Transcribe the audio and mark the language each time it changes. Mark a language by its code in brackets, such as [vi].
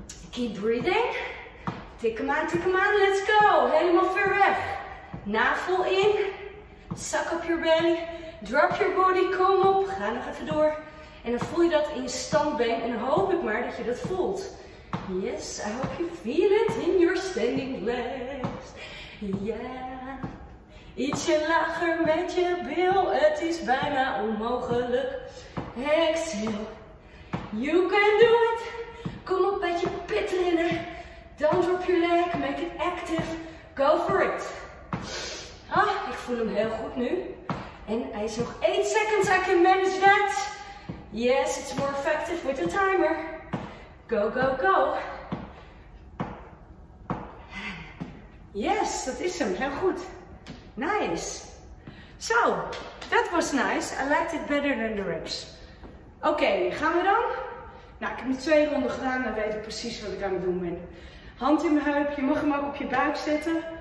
[en] Keep breathing. [nl] Tik hem aan, tik hem aan. [en] Let's go. [nl] Helemaal ver weg. [en] Navel in. Suck up your belly. Drop your body. [nl] Kom op. Ga nog even door. En dan voel je dat in je standbeen. En dan hoop ik maar dat je dat voelt. [en] Yes, I hope you feel it in your standing legs. [nl] Yeah. Ietsje lager met je bil. Het is bijna onmogelijk. [en] Exhale. You can do it. [nl] Kom op met je pit erin. [en] Don't drop your leg. Make it active. Go for it. [nl] Ah, ik voel hem heel goed nu. En hij is nog 8 [en] seconds. I can manage that. Yes, it's more effective with the timer. Go, go, go. [nl] Yes, dat is hem. Heel goed. Nice. [en] So, that was nice. I liked it better than the reps. [nl] Oké, gaan we dan? Nou, ik heb nu 2 ronden gedaan. Dan weet ik precies wat ik aan het doen ben. Hand in mijn heup. Je mag hem ook op je buik zetten.